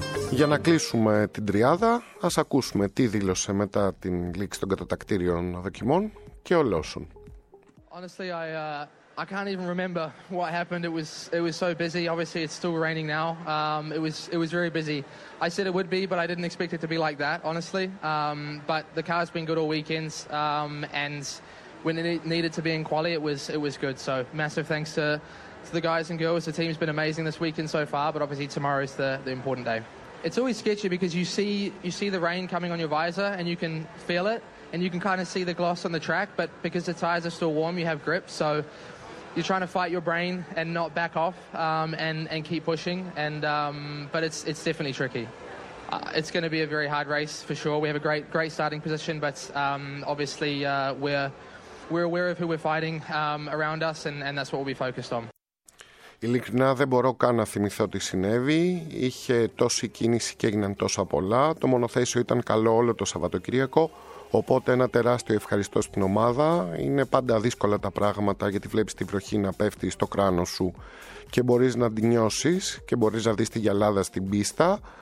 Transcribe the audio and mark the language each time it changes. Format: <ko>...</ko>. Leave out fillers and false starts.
<el>Για να κλείσουμε την τριάδα, ας ακούσουμε τι δήλωσε μετά την λήξη των κατατακτήριων δοκιμών και ο Λόσον.</el> <en>Honestly, I can't even remember what happened. It was so busy. Obviously, it's still raining now. It was very busy. I said it would be, but I didn't expect it to be like that, honestly. But the car's been good all weekends, and when it needed to be in quali, it was good. So massive thanks to the guys and girls. The team's been amazing this weekend so far, but obviously tomorrow's the important day. It's always sketchy because you see the rain coming on your visor and you can feel it and you can kind of see the gloss on the track, but because the tires are still warm, you have grip, so you're trying to fight your brain and not back off and keep pushing. But it's definitely tricky. It's going to be a very hard race for sure. We have a great starting position, but obviously we're aware of who we're fighting around us, and that's what we'll be focused on.</en> <el>Ειλικρινά δεν μπορώ καν να θυμηθώ τι συνέβη. Είχε τόση κίνηση και έγιναν τόσα πολλά. Το μονοθέσιο ήταν καλό όλο το Σαββατοκύριακο. Οπότε ένα τεράστιο ευχαριστώ στην ομάδα. Είναι πάντα δύσκολα τα πράγματα γιατί βλέπεις τη βροχή να πέφτει στο κράνος σου και μπορείς να την νιώσεις και μπορείς να δεις τη γυαλάδα στην πίστα.</el>